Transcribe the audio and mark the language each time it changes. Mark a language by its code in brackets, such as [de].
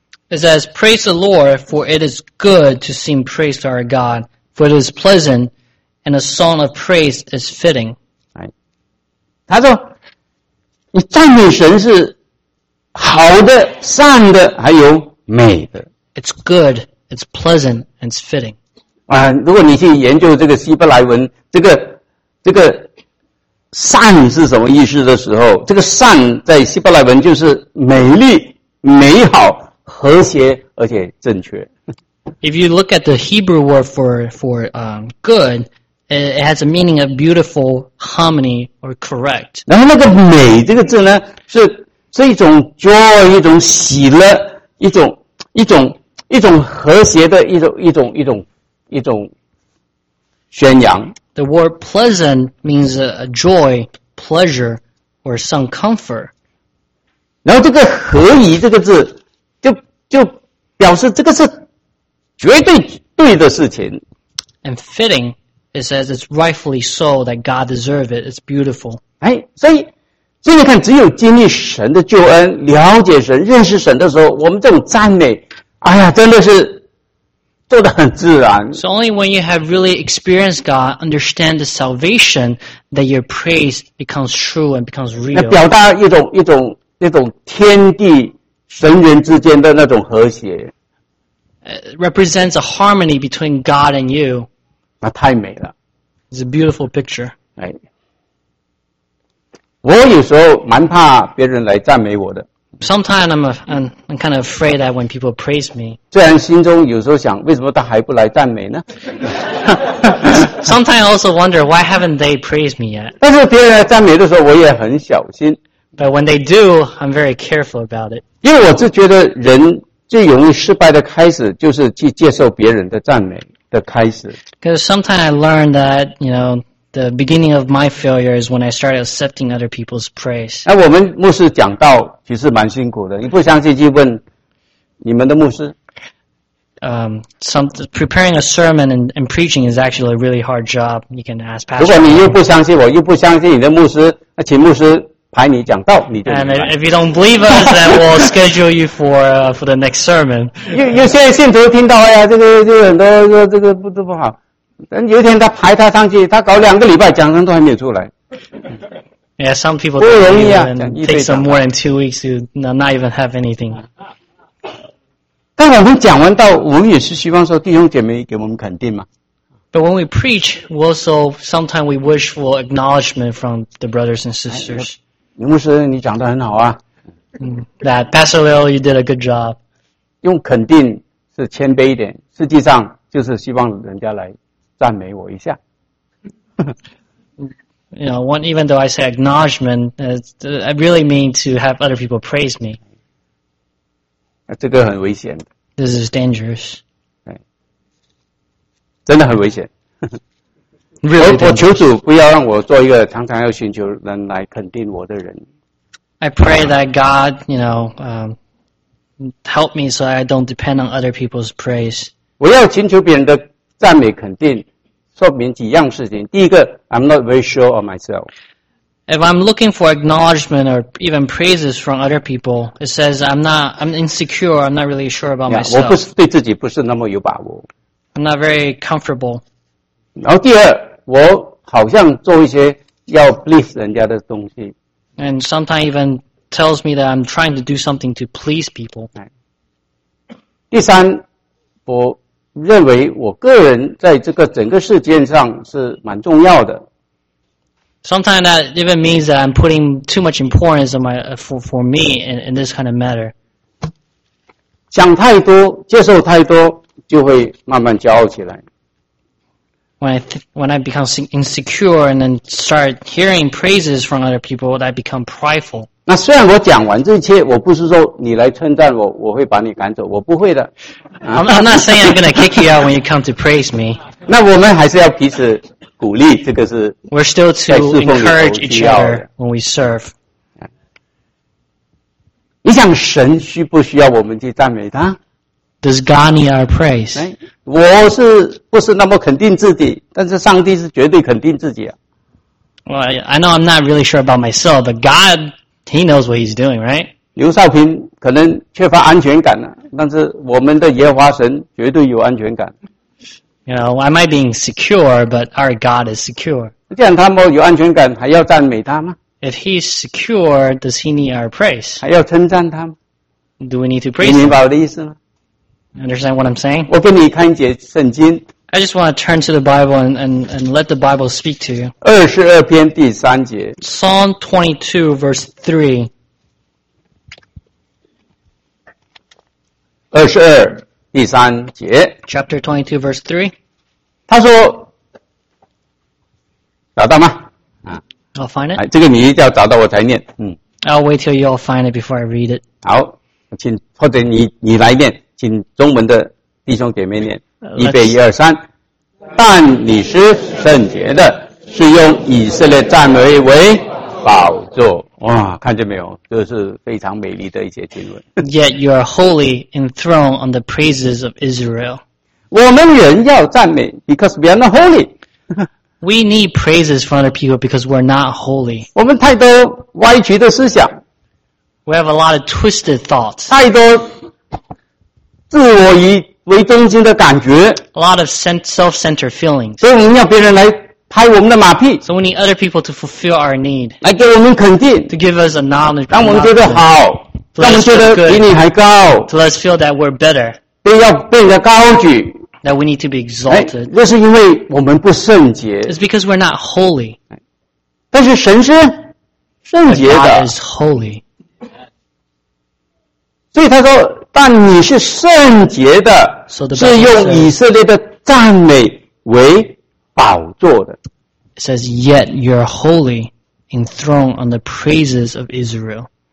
[en] It says, Praise the Lord, for it is good to sing praise to our God, for it is pleasant, and a song of praise is fitting. [zh] 他说你赞美神是好的善的还有美的。 [en] It's good, it's pleasant, and it's fitting.、 [zh] 如果你去研究这个希伯来文这个善是什么意思的时候，这个善在希伯来文就是美丽美好和谐而且正确。 [en] If you look at the Hebrew word for good,It has a meaning of beautiful, harmony, or correct. [zh] 然后那个美这个字呢，是一种 joy, 一种喜乐，一种和谐的一种宣扬。 [en] The word pleasant means a joy, pleasure, or some comfort. [zh] 然后这个合宜这个字就表示这个是绝对对的事情。 [en] And fitting. It says it's rightfully so that God deserves it. It's beautiful. [zh] 哎，所以你看，只有经历神的救恩，了解神，认识神的时候，我们这种赞美，哎呀，真的是做得很自然。 [en] So only when you have really experienced God, understand the salvation, that your praise becomes true and becomes real. [zh] 那表达一种天地神人之间的那种和谐。 [en] It represents a harmony between God and you. [zh] 那太美了。 [en] It's a beautiful picture. [zh] 哎，我有时候蛮怕别人来赞美我的。 [en] Sometimes I'm kind of afraid that when people praise me. [zh] 虽然心中有时候想，为什么他还不来赞美呢？ [en] Sometimes I also wonder, why haven't they praised me yet? [zh] 但是别人来赞美的时候，我也很小心。 [en] But when they do, I'm very careful about it. [zh] 因为我是觉得人最容易失败的开始，就是去接受别人的赞美。 [en] Because sometimes I learned that, you know, the beginning of my failure is when I started accepting other people's praise. [zh] 我们牧师讲道其实蛮辛苦的，你不相信就问你们的牧师。 [en] Preparing a sermon and preaching is actually a really hard job. You can ask pastor. [zh] 如果你又不相信我，又不相信你的牧师，那请牧师排你讲道，你就明白。 [en] And if you don't believe us, then we'll schedule you for the next sermon. [zh] 有些信徒听到，哎呀，这个很多说这个不好。等有一天他排他上去，他搞两个礼拜讲章都还没有出来。 [en] Yeah, some people don't even take some more than 2 weeks to not even have anything. [zh] 但我们讲完道，我们也是希望说弟兄姐妹给我们肯定嘛。 [en] But when we preach, we also sometimes we wish for acknowledgement from the brothers and sisters. [zh] 李牧师，你讲得很好啊。 [en] That Pastor Leo, you did a good job. [zh] 用肯定是谦卑一点，实际上就是希望人家来赞美我一下。 [en] You know, when, even though I say acknowledgement, I really mean to have other people praise me. [zh] 这个很危险。 [en] This is dangerous. [zh] 真的很危险。 [en] Really dangerous. [zh] 我求主不要让我做一个常常要寻求人来肯定我的人。 [en] I pray that God, you know, help me so I don't depend on other people's praise. [zh] 我要寻求别人的赞美肯定。说明几样事情。第一个 [en] ,I'm not very sure of myself. If I'm looking for acknowledgement or even praises from other people, it says I'm insecure, I'm not really sure about myself. [zh] 我不是对自己不是那么有把握。 [en] I'm not very comfortable. [zh] 然后第二我好像做一些要 please 人家的东西。 [en] And sometimes even tells me that I'm trying to do something to please people. [zh] 第三我认为我个人在这个整个事件上是蛮重要的。 [en] Sometimes that even means that I'm putting too much importance on for me in this kind of matter. [zh] 想太多，接受太多，就会慢慢骄傲起来。 [en] When I become insecure and then start hearing praises from other people, that I become prideful. [zh] 那虽然我讲完这一切，我不是说你来称赞我，我会把你赶走，我不会的。 [en] I'm not saying I'm gonna kick you out when you come to praise me. [zh] 那我们还是要彼此鼓励，这个是。 [en] We're still to encourage each other when we serve. [zh] 你想神需不需要我们去赞美他？ [en] Does God need our praise? [zh] 我是不是那么肯定自己？但是上帝是绝对肯定自己啊。 [en] Well, I know I'm not really sure about myself, but God, He knows what He's doing, right? [zh] 刘少平可能缺乏安全感啊，但是我们的耶和华神绝对有安全感。 [en] You know, I might be insecure, but our God is secure. [zh] 既然他们有安全感，还要赞美他吗 [en] ？If He's secure, does He need our praise? [zh] 还要称赞他吗 [en] ？Do we need to praise Him? [zh] 你明白我的意思吗？ [en] Understand what I'm saying? [zh] 我给你看一节圣经。 [en] I just want to turn to the Bible and let the Bible speak to you. [zh] 二十二篇第三节。 [en] Psalm 22:3。 [zh] 二十二第三节。 [en] Chapter 22:3。 [zh] 他说，找到吗？ [en] 啊，I'll find it. [zh] 这个你一定要找到，我才念。 [en] I'll wait till you all find it before I read it. [zh] 好，请或者你来念。请中文的弟兄姐妹念预备一二三，但你是圣洁的，是用以色列赞美为宝座。哇，看见没有，这是非常美丽的一节经文。 [en] Yet you are holy enthroned on the praises of Israel. [zh] 我们人要赞美 [en] ，because we are not holy. We need praises from other people because we're not holy. [zh] 我们太多歪曲的思想。 [en] We have a lot of twisted thoughts. [zh] 太多。自我以为中心的感觉 [en] ，a lot of self-centered feelings。 [zh] 所以我们要别人来拍我们的马屁 [en] ，so we need other people to fulfill our need， [zh] 来给我们肯定 [en] ，to give us acknowledgement， [zh] 让我们觉得好，让我们觉得比你还高 [en] ，to let us feel that we're better， [zh] 被要被人家高举 [en] ，that we need to be exalted。 [zh] 这是因为我们不圣洁 [en] ，it's because we're not holy。 [zh] 但是神是圣洁的 [en] ，God is holy。 [zh] 所以他说。但你是圣洁的，是用以色列的赞美为宝座的。 [en] It says, "Yet you are holy, enthroned on the praises of Israel."